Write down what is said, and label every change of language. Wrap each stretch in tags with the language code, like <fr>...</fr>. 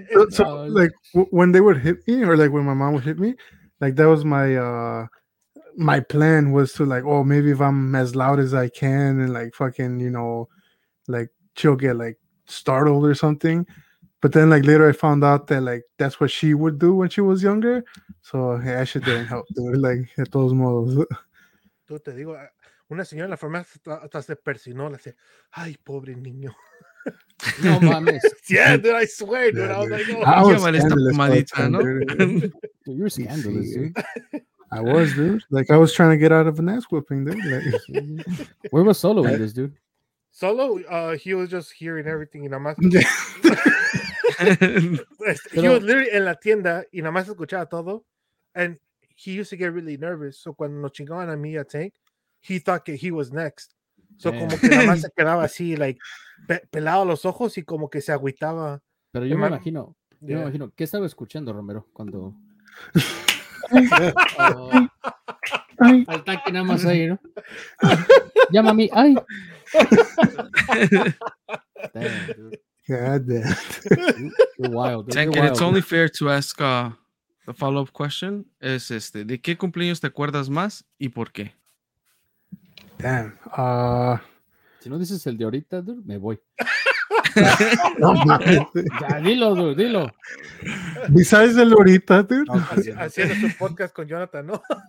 <en>So, like, when they would hit me, or like when my mom would hit me, like, that was my my plan was to, like, oh, maybe if I'm as loud as I can and, like, fucking, you know, like, she'll get, like, startled or something. But then, like, later I found out that, like, that's what she would do when she was younger. So, yeah, that shit didn't help, dude. Like,</en> <es>de todos modos. Yo te digo, una señora en la farmacia hasta se persinó. Le dice, ay, pobre niño. No mames.</es> <en>Yeah, dude, I swear, dude. I was like, oh, I was scandalous. Part, ¿no? Dude, you're scandalous, dude. I was, dude. Like, I was trying to get out of an ass whooping, dude. Like, where was Solo in this, dude? Solo, he was just hearing everything. And I'm he was literally in</en> <es>la tienda y nada más escuchaba todo,</es> <en>and he used to get really nervous. So</en> <es>cuando nos chingaban a mí y a Tank,</es> <en>he thought that he was next. So damn.</en> <es>Como que nada más se quedaba así, like, pelado a los ojos y como que se agüitaba. Pero yo me imagino, ¿qué estaba escuchando Romero cuando? Al tanque nada más ahí, ¿no? Llama a mí, ay.</es> <en>Damn, dude. God damn. You're wild. Tank, you're wild. It's only fair to ask the follow-up question.</en> <es>Es este, ¿de qué cumpleaños te acuerdas más y por qué?</es> <en>Damn.</en> <es>Si no dices el de ahorita, dude, me voy. No, ya, dilo, dude, dilo.</es> <en>Besides</en> <es>el de ahorita, dude. No, haciendo tu podcast con Jonathan, ¿no?</es>